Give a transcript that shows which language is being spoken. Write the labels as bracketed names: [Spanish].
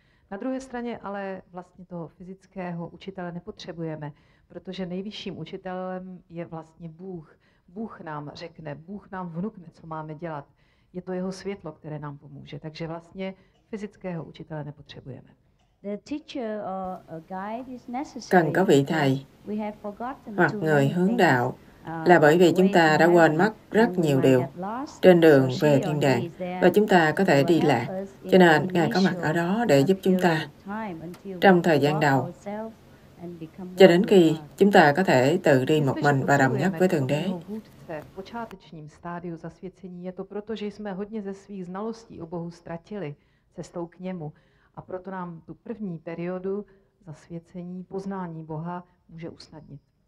[Czech] Na druhé straně ale vlastně toho fyzického učitele nepotřebujeme, protože nejvyšším učitelem je vlastně Bůh. Bůh nám řekne, Bůh nám vnukne, co máme dělat. Je to jeho světlo, které nám pomůže. Takže vlastně fyzického učitele nepotřebujeme. [English] The teacher or a guide is necessary. [Vietnamese] Cần có vị thầy hoặc người hướng đạo là bởi vì chúng ta đã quên mất rất nhiều điều trên đường về thiên đàng và chúng ta có thể đi lạc. Cho nên Ngài có mặt ở đó để giúp chúng ta trong thời gian đầu cho đến khi chúng ta có thể tự đi một mình và đồng nhất với Thượng Đế. [Czech] V počátečním stádiu zasvěcení je to proto, že jsme hodně ze svých znalostí o Bohu ztratili cestou k němu. A proto nám tu první periodu zasvěcení, poznání Boha může usnadnit.